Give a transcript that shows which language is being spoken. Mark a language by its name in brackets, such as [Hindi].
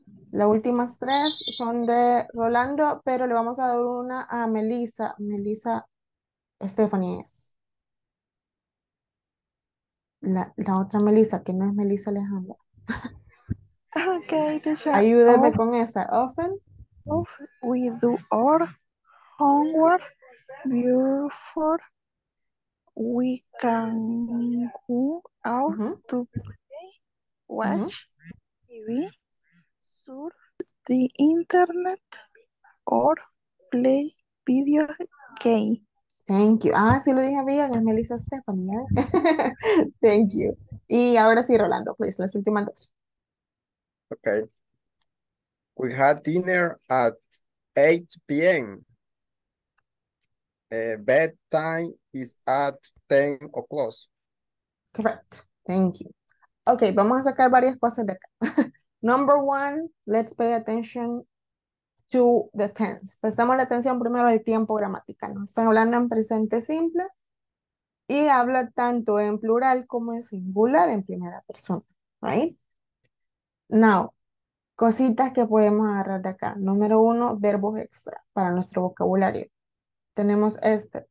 [Spanish] Las últimas 3 son de Rolando, pero le vamos a dar una a Melissa. Melissa Stephanie es. La otra Melissa, que no es Melissa Alejandra. [English] Okay, teacher. [Spanish] Ayúdeme con esa. [English] Often. We do our homework before we can go out to play, watch TV, surf the internet, or play video game. Thank you. [Spanish] Ah, sí lo dije bien, es Melissa Stephanie. ¿Eh? Thank you. Y ahora sí, Rolando, please, las últimas dos. [English] Okay. We had dinner at 8 p.m. Bedtime is at 10 o'clock. Correct. Thank you. [Spanish] Okay, vamos a sacar varias cosas de acá. [English] Number one, let's pay attention to the tense. [Spanish] Prestamos la atención primero al tiempo gramatical. ¿No? Están hablando en presente simple y habla tanto en plural como en singular en primera persona. [English] Right? Now, [Spanish] cositas que podemos agarrar de acá. Número uno, verbos extra para nuestro vocabulario. Tenemos este.